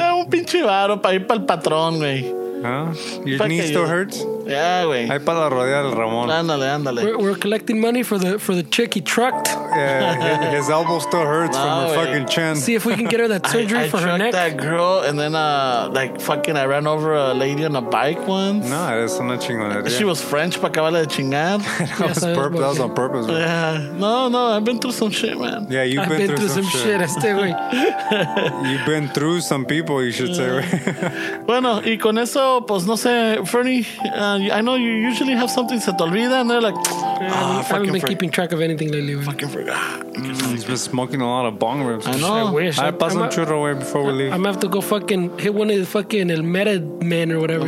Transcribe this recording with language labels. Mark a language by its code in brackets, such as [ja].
[es] Un pinche varo para ir para el patrón, güey. [en] Your knee still hurts? Yeah, güey. [es] Ahí para la rodilla del Ramón. Ándale, ándale. [en] We're collecting money for the chick he trucked. Yeah, his elbow still hurts from her fucking chin. See if we can get her that surgery for her neck. I trucked that girl and then, like, fucking, I ran over a lady on a bike once. [es] No, es una chingonería. [en] She was French, [es] pa' acabarle de chingar. [en] That was on purpose, man. Yeah. No, no, I've been through some shit, man. Yeah, you've been through some shit. I've been through some shit, este, you've been through some people, you should say, güey. [es] Bueno, y con eso, pues, no sé, Fernie... [en] I know you usually have something [es] se te olvida, [en] and they're like, I haven't been keeping track of anything lately. Fucking forgot. He's been smoking a lot of bong ribs. I know. I wish. I pass some churro away before we leave. I'm gonna have to go fucking hit one of the fucking El Med Men or whatever.